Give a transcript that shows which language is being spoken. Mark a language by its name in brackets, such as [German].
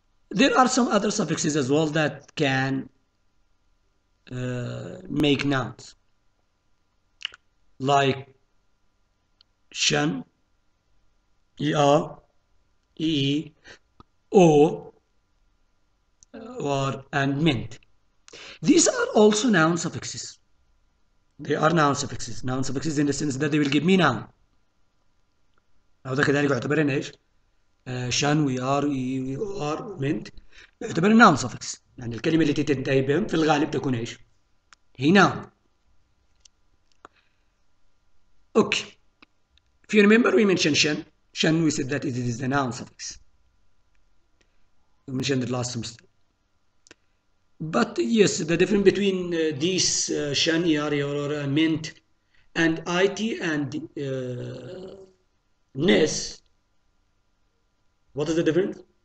[English] There are some other suffixes as well that can make nouns, like shen, ya, ee, o, or and mint. These are also noun suffixes. They are noun suffixes. Noun suffixes in the sense that they will give me noun. [Arabic] هذا كذلك يعتبرن إيش؟ شان وي ار وي ار منت يعتبر ناون سفكس، يعني الكلمة التي تنتهي بهم في الغالب تكون إيش؟ هي ناون. أوكي. [English] If you remember we mentioned tion, tion we said that it is the noun suffix. We mentioned it last semester. But yes, the difference between these tion er er er ment and IT and ness, what is the difference?